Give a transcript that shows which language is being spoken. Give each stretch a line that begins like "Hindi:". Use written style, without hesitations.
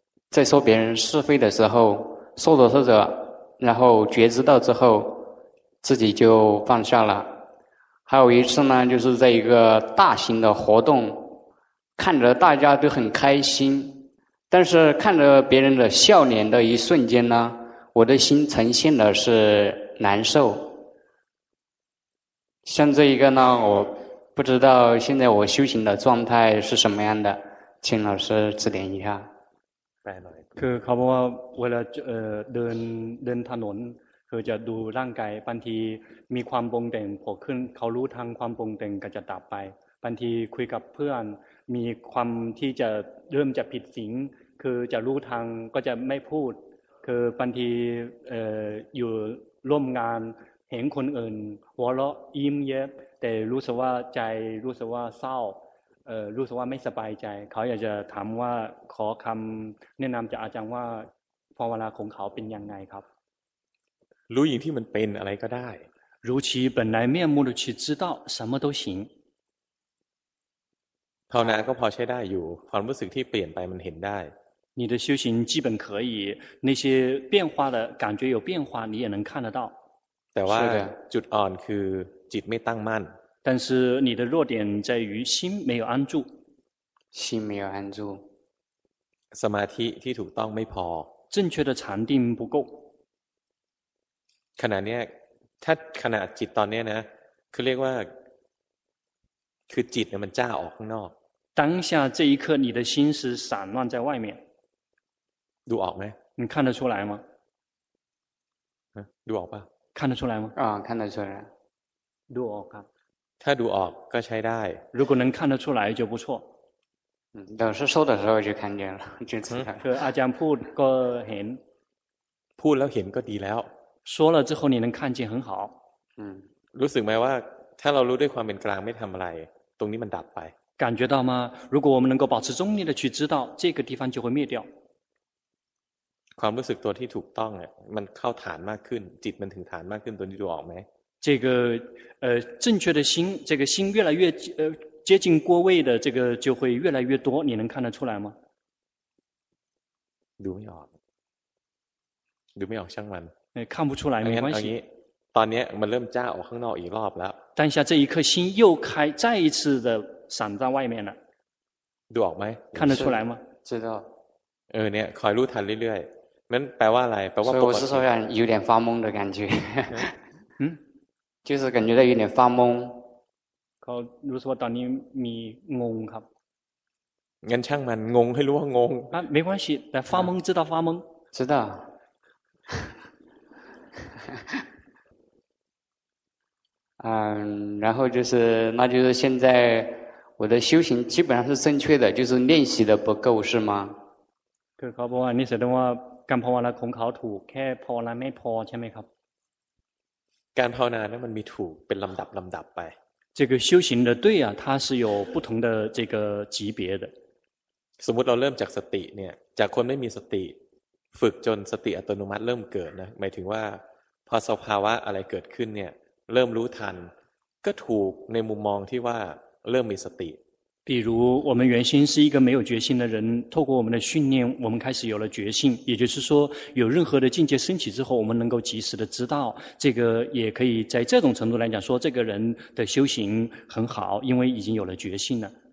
Chinese: 在说别人是非的时候说着说着然后觉知到之后自己就放下了还有一次呢就是在一个大型的活动看着大家都很开心但是看着别人的笑脸的一瞬间呢我的心呈现的是难受像这一个呢我不知道现在我修行的状态是什么样的请老师指点一下
Thai: คือเขาบอกว่าเวลาเดินถนนคือจะดูร่างกายบางทีมีความปรุงแต่งโผล่ขึ้นเขารู้ทางความปรุงแต่งก็จะดับไปบางทีคุยกับเพื่อนมีความที่จะเริ่มจะผิดศีลคือจะรู้ทางก็จะไม่พูดคือบางที อยู่ร่วมงานเห็นคนอื่นหัวเราะยิ้มเย้แต่รู้สึกว่าใจรู้สึกว่าเศร้ารู้สึกว่าไม่สบายใจเขาอยากจะถามว่าขอคำแนะนำจากอาจารย์ว่าภาวนาของเขาเป็นยังไงครับ รู้อย่างที่มันเป็นอะไรก็ได้
Chinese: รู้其本来面目的去知道什么都行
Thai: ภาวนาก็พอใช้ได้อยู่ความรู้สึกที่เปลี่ยนไปมันเห็นได้
Chinese: 你的修行基本可以那些变化的感觉有变化你也能看得到
Thai: แต่ว่าจุดอ่อนคือจิตไม่ตั้งมั่น
Chinese: 但是你的弱点在于心没有安住心没有安住
Thai: สมาธิที่ถูกต้องไม่พอ
Chinese: 正确的禅定不够
Thai: ขณะนี้ถ้าขณะจิตตอนนี้นะคือเรียกว่าคือจิตเนี่ยมันจ้าออกข้างนอก
Chinese: 当下这一刻你的心是散乱在外面
Thai: ดูออกไหม
Chinese: 你看得出来吗
Thai: ดูออกป่ะ
Chinese: 看得出来吗看得出来
Thai: ดูออกครับ ถ้าดูออกก็ใช้ได้
Chinese: 如果能看得出来就不错老师说的时候就看见了就知道
Thai: คืออาจารย์พูดก็เห็น พูดแล้วเห็นก็ดีแล้ว
Chinese: 说了之后你能看见很好
Thai: รู้สึกไหมว่าถ้าเรารู้ด้วยความเป็นกลางไม่ทำอะไรตรงนี้มันดับไป
Chinese: 感觉到吗如果我们能够保持中立的去知道这个地方就会灭掉
Thai: ความรู้สึกตัวที่ถูกต้องเนี่ยมันเข้าฐานมากขึ้นจิตมันถึงฐานมากขึ้นตัวนี้ดูออกไหม
Chinese: 这个正确的心这个心越来越接近过位的这个就会越来越多你能看得出来吗
Thai: ดูไม่ออกดูไม่ออกช่างมัน
Chinese: 看不出来没关系
Thai: ตอนนี้มันเริ่มจ้าออกข้างนอกอีกรอบแล้ว
Chinese: 当下这一颗心又开再一次的散在外面了
Thai: ดูออกไหม
Chinese: 看得出来吗知道
Thai: เนี่ยคอยรู้ทันเรื่อย
Chinese: 那白话来，白话。所以我是说有点发懵的感觉。嗯，就是感觉到有点发懵。
Thai: เขารู้สึกว่าตอนนี้มีงงครับ งั้นช่างมันงงให้รู้ว่างง
Chinese: อ่ะ没关系แต่发懵知道发懵知道嗯然后就是那就是现在我的修行基本上是正确的就是练习的不够是吗
Thai: คือเขาบอกว่านี่แสดงว่าการภาวนาของเขาถูกแค่ภาวนาไม่พอใช่ไหมครับ การภาวนาเนี่ยมันมีถูกเป็นลำดับไป
Chinese: 这个修行的对啊它是有不同的这个级别的
Thai: สมมุติเราเริ่มจากสติเนี่ยจากคนไม่มีสติฝึกจนสติอัตโนมัติเริ่มเกิดนะหมายถึงว่าพอสภาวะอะไรเกิดขึ้นเนี่ยเริ่มรู้ทันก็ถูกในมุมมองที่ว่าเริ่มมีสติ
Chinese: 比如我们原先是一个没有决心的人透过我们的训练我们开始有了决心也就是说有任何的境界升起之后我们能够及时的知道这个也可以在这种程度来讲说这个人的修行很好因为已经有了决心了